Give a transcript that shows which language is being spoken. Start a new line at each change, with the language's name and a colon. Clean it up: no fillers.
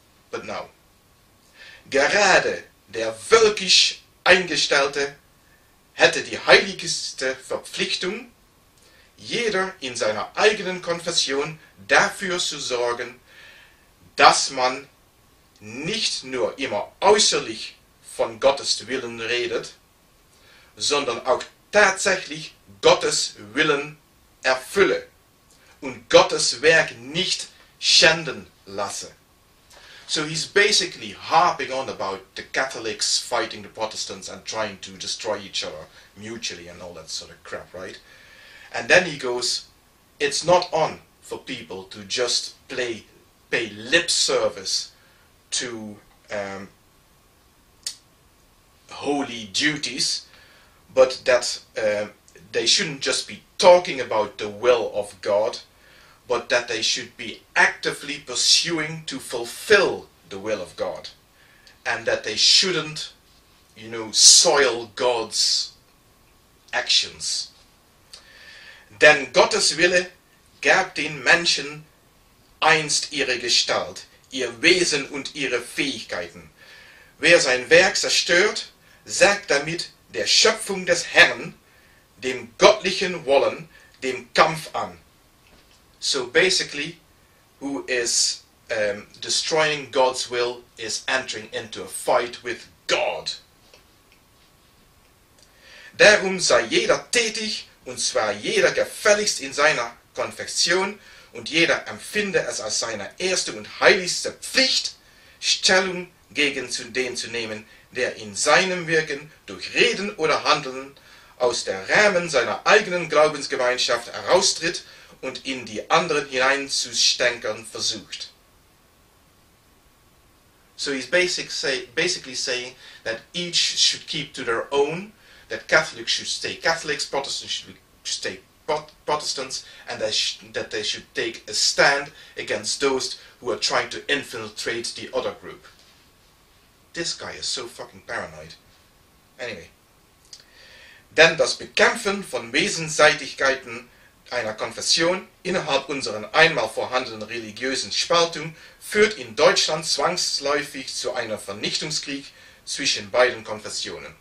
English: But now,
German: gerade der völkisch Eingestellte hätte die heiligste Verpflichtung, jeder in seiner eigenen Konfession dafür zu sorgen, dass man nicht nur immer äußerlich von Gottes Willen redet, sondern auch tatsächlich Gottes Willen erfülle und Gottes Werk nicht schänden lasse.
English: So he's basically harping on about the Catholics fighting the Protestants and trying to destroy each other mutually and all that sort of crap, right? And then he goes, it's not on for people to just pay lip service to holy duties, but that they shouldn't just be talking about the will of God, but that they should be actively pursuing to fulfill the will of God, and that they shouldn't, you know, soil God's actions.
German: Denn Gottes Wille gab den Menschen einst ihre Gestalt, ihr Wesen und ihre Fähigkeiten. Wer sein Werk zerstört, sagt damit der Schöpfung des Herrn, dem göttlichen Wollen, dem Kampf an.
English: So basically, who is destroying God's will is entering into a fight with God.
German: Darum sei jeder tätig, und zwar jeder gefälligst in seiner Konfession, und jeder empfinde es als seine erste und heiligste Pflicht, Stellung gegen zu dem zu nehmen, der in seinem Wirken durch Reden oder Handeln aus der Rahmen seiner eigenen Glaubensgemeinschaft heraustritt und in die anderen hineinzustänkern versucht.
English: So he's basically saying that each should keep to their own, that Catholics should stay Catholics, Protestants should stay Protestants, and that they should take a stand against those who are trying to infiltrate the other group. This guy is so fucking paranoid. Anyway.
German: Denn das Bekämpfen von Wesenseitigkeiten einer Konfession innerhalb unserer einmal vorhandenen religiösen Spaltung führt in Deutschland zwangsläufig zu einem Vernichtungskrieg zwischen beiden Konfessionen.